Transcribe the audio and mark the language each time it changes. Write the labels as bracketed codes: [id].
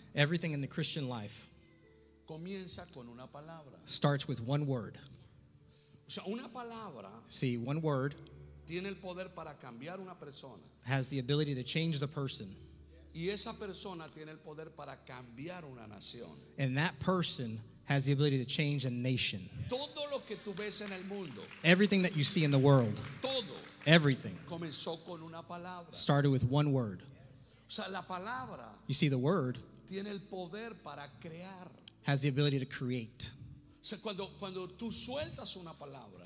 [en] Everything in the Christian life [es] comienza con una palabra. [en] Starts with one word. [es] O sea, una palabra. [en] See, one word [es] tiene el poder para cambiar una persona. [en] Has the ability to change the person. [es] Y esa persona tiene el poder para cambiar una nación. [en] And that person has the ability to change a nation. [es] Todo lo que tú ves en el mundo, [en] everything that you see in the world, [es] todo, [en] everything, [es] comenzó con una palabra. [en] Started with one word. [es] O sea, la palabra, [en] you see, the word [es] tiene el poder para crear. [en] Has the ability to create. [es] O sea, cuando tú sueltas una palabra,